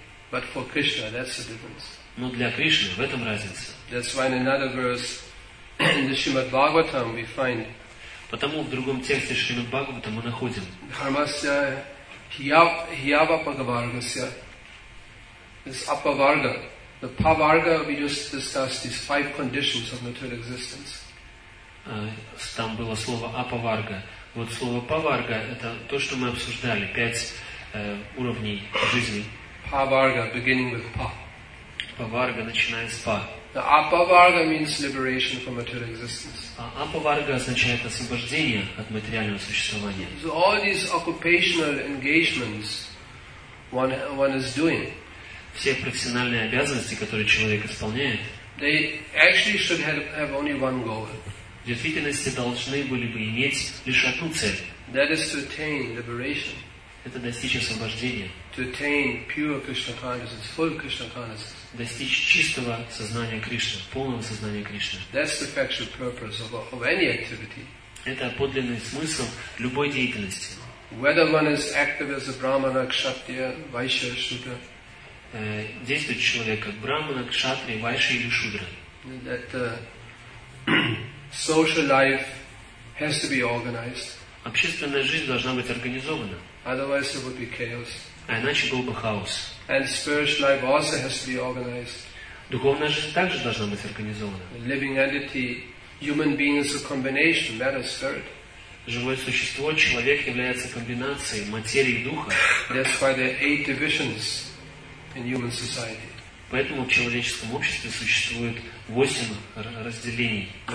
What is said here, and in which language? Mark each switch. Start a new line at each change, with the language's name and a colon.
English: But for Krishna, that's the difference.
Russian: Но для Кришны в этом разница.
English: That's why in another verse in the Srimad Bhagavatam we find.
Russian: Потому в другом тексте Шримад Бхагаватам мы находим.
Sanskrit: Dharmasya hiyava pagavargasya is apavarga.
English: The pavarga we just discussed these five conditions of material existence.
Russian: Там было слово апаварга. Вот слово паварга это то, что мы обсуждали, пять уровней жизни.
English: Паварга, beginning with pa.
Russian: Паварга начиная с па.
English: The apavarga means liberation from material existence.
Russian: Апаварга означает освобождение от материального существования.
English: So all these occupational engagements one is doing.
Russian: Все профессиональные обязанности, которые человек исполняет.
English: They actually should have only one goal.
Russian: В действительности должны были бы иметь лишь одну цель.
English: That is to attain liberation.
Russian: Это достичь освобождения.
English: To attain pure Krishna consciousness, full Krishna consciousness.
Russian: Достичь чистого сознания Кришны, полного сознания Кришны.
English: That's the actual purpose of any activity.
Russian: Это подлинный смысл любой деятельности.
English: Whether one is active as a brahmana, kshatriya, vaishya, shudra.
Russian: Действует человек как брахмана, кшатрия, вайшья или шудра.
English: That social life has to be organized.
Russian: Общественная жизнь должна быть организована.
English: Otherwise, it would be chaos.
Russian: А иначе был бы хаос.
English: And spiritual life also has to be organized.
Russian: Духовная жизнь также должна быть организована.
English: A living entity, human being is a combination, matter, spirit.
Russian: Живое существо, человек является комбинацией материи и духа.
English: That's why there are eight divisions in human society.
Russian: Поэтому в человеческом обществе существует восемь разделений.